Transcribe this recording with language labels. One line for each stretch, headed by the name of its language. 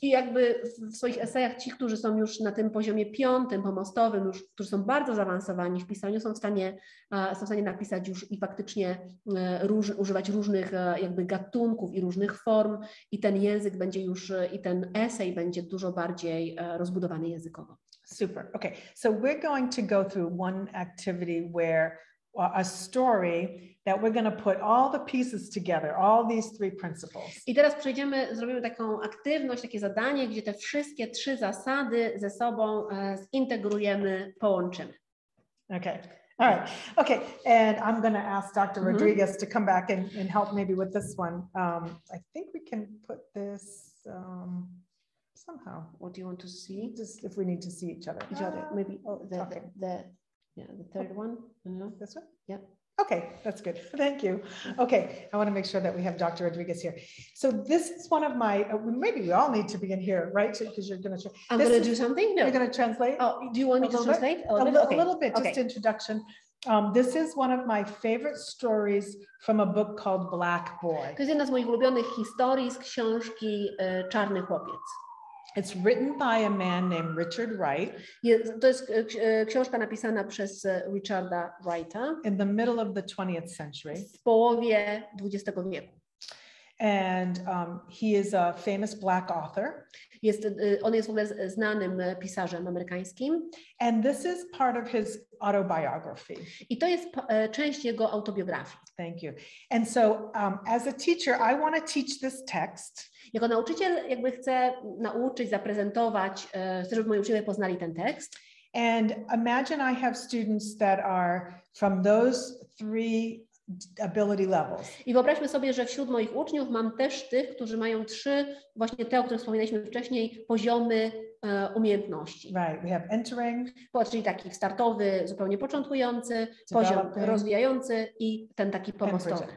Polish: I jakby w swoich esejach ci, którzy są już na tym poziomie piątym, pomostowym, już, którzy są bardzo zaawansowani w pisaniu, są w stanie napisać już i faktycznie używać różnych jakby gatunków i różnych form i ten język będzie już, i ten esej będzie dużo bardziej rozbudowany językowo. Super.
English: Okay, so we're going to go through one activity where a story that we're going to put all the pieces together, all these three principles.
Polish: I teraz przejdziemy, zrobimy taką aktywność, takie zadanie, gdzie te wszystkie trzy zasady ze sobą zintegrujemy, połączymy.
English: Okay. All right. Okay. And I'm going to ask Dr. Rodriguez to come back and help maybe with this one. I think we can put this... somehow. What do you want to see? Just if we need to see each other. Each other. Maybe the third one. This one? Yeah. Okay, that's good. Thank you. Okay, I want to make sure that we have Dr. Rodriguez here. So this is one of my, maybe we all need to begin here, right? Because you're going to... I'm going to do something? No. You're going to translate? Oh, do you want me to translate? A little bit, introduction. This is one of my favorite stories from a book called Black Boy.
Polish: To jest jedna z moich ulubionych historii z książki Czarny Chłopiec.
English: It's written by a man named Richard Wright.
Polish: To jest książka napisana przez Richarda Wrighta.
English: In the middle of the 20th century.
Polish: W połowie XX wieku.
English: And he is a famous black author.
Polish: On jest w ogóle znanym pisarzem amerykańskim.
English: And this is part of his autobiography.
Polish: I to jest część jego autobiografii.
English: Thank you. And so as a teacher, I want to teach this text.
Polish: Jako nauczyciel jakby chcę nauczyć, zaprezentować, chcę, żeby moi uczniowie poznali ten tekst.
English: And imagine I have students that are from those three ability levels.
Polish: I wyobraźmy sobie, że wśród moich uczniów mam też tych, którzy mają trzy, właśnie te, o których wspominaliśmy wcześniej, poziomy umiejętności.
English: Right, we have entering.
Polish: Czyli taki startowy, zupełnie początkujący, poziom rozwijający i ten taki pomostowy.